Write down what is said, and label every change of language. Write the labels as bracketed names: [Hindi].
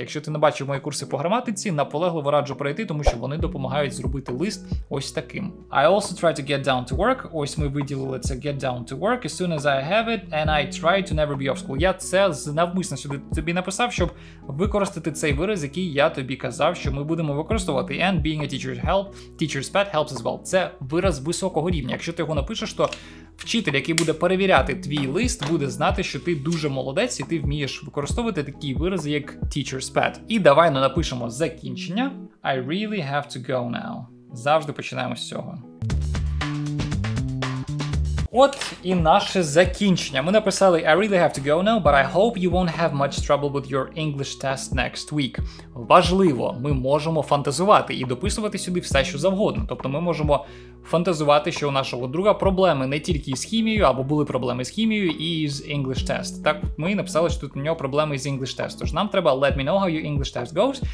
[Ukrainian] Якщо ти не бачив мої курси по граматиці, наполегливо раджу пройти, тому що вони допомагають зробити лист ось таким. [English] I also try to get down to work. [Ukrainian] Ось ми виділили це [English] get down to work as soon as I have it, and I try to never be off school. [Ukrainian] Я це навмисно сюди тобі написав, щоб використати цей вираз, який я тобі казав, що ми будемо використовувати. [English] And being a teacher's help, teacher's pet helps as well. [Ukrainian] Це вираз високого рівня. Якщо ти його напишеш, що вчитель, який буде перевіряти твій лист, буде знати, що ти дуже молодець і ти вмієш використовувати такі вирази, як teacher's pet. І давай напишемо закінчення. [English] I really have to go now. [Ukrainian] Завжди починаємо з цього. От і наше закінчення. Ми написали [English] I really have to go now, but I hope you won't have much trouble with your English test next week. [Ukrainian] Важливо, ми можемо фантазувати і дописувати сюди все, що завгодно. Тобто ми можемо фантазувати, що у нашого друга проблеми не тільки з хімією, або були проблеми з хімією і з English test. Так, ми написали, що тут у нього проблеми з English test. Тож нам треба [English] let me know how your English test goes.